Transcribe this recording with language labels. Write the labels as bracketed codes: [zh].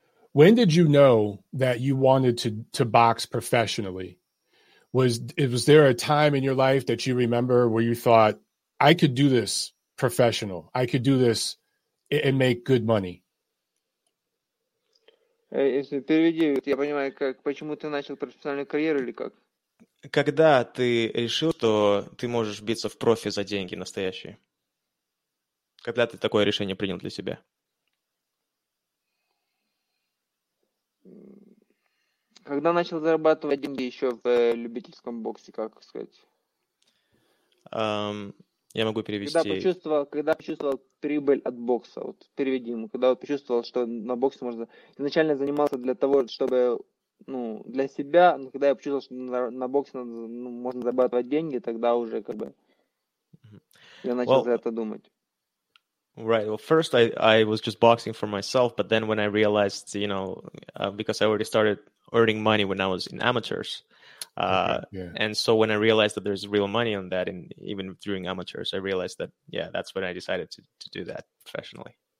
[en] When did you know that you wanted to box professionally? Was there a time in your life that you remember where you thought, I could do this professional, I could do this and make good money? [ru] Если перевести, я понимаю, как почему ты начал профессиональную карьеру или как? Когда ты решил, что ты можешь биться в профи за деньги настоящие? Когда ты такое решение принял для себя? Когда начал зарабатывать деньги еще в любительском боксе, как сказать? Я могу перевести. Когда почувствовал прибыль от бокса, вот переведи ему. Когда вот почувствовал, что на боксе можно. Изначально занимался для того, чтобы, ну, для себя. Но когда я почувствовал, что на боксе надо, ну, можно зарабатывать деньги, тогда уже как бы я начал за это думать. [en] Right. Well, first I was just boxing for myself, but then when I realized, you know, because I already started earning money when I was in amateurs, and so when I realized that there's real money on that, and even during amateurs, I realized that, yeah, that's when I decided to do that professionally.